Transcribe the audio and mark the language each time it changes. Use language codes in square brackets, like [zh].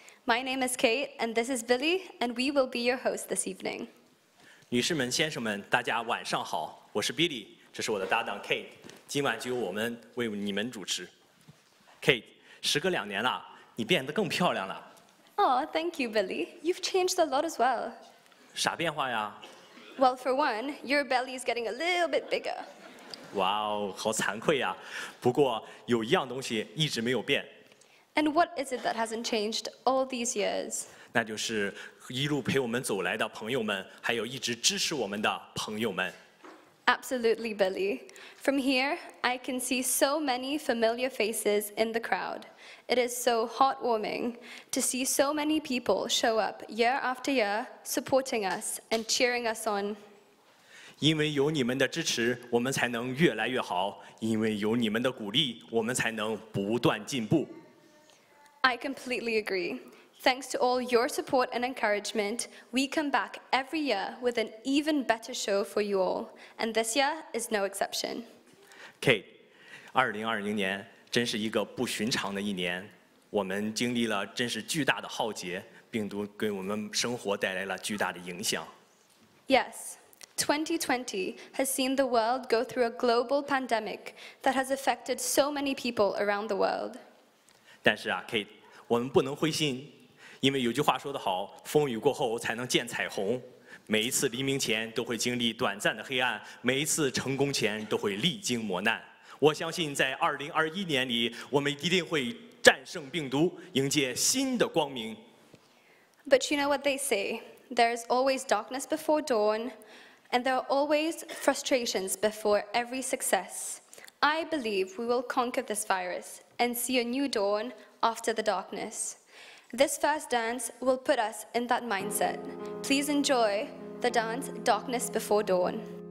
[en] My name is Kate and this is Billy and we will be your host this evening. [zh] 女士们、先生们，大家晚上好，我是 Billy， 这是我的搭档 Kate。今晚就由我们为你们主持。 Kate， 时隔两年了，你变得更漂亮了。 [en] Oh, thank you, Billy. You've changed a lot as well. [zh] 啥变化呀 [en] ？Well, for one, your belly is getting a little bit bigger. [zh] 哇哦，好惭愧呀。不过有一样东西一直没有变。 [en] And what is it that hasn't changed all these years? [zh] 那就是一路陪我们走来的朋友们，还有一直支持我们的朋友们。 [en] Absolutely, Billy. From here, I can see so many familiar faces in the crowd. It is so heartwarming to see so many people show up year after year, supporting us and cheering us on. [zh] 因为有你们的支持，我们才能越来越好。因为有你们的鼓励，我们才能不断进步。 [en] I completely agree. Thanks to all your support and encouragement, we come back every year with an even better show for you all. And this year is no exception. [zh] Kate, 2020年真是一个不寻常的一年。我们经历了真是巨大的浩劫，病毒给我们生活带来了巨大的影响。 [en] Yes, 2020 has seen the world go through a global pandemic that has affected so many people around the world. [zh] 但是啊 ,Kate, 我们不能灰心。因为有句话说得好，风雨过后才能见彩虹。每一次黎明前都会经历短暂的黑暗，每一次成功前都会历经磨难。我相信在2021年里，我们一定会战胜病毒，迎接新的光明。 [en] But you know what they say, There is always darkness before dawn, and there are always frustrations before every success. I believe we will conquer this virus and see a new dawn after the darkness. This first dance will put us in that mindset. Please enjoy the dance, Darkness Before Dawn.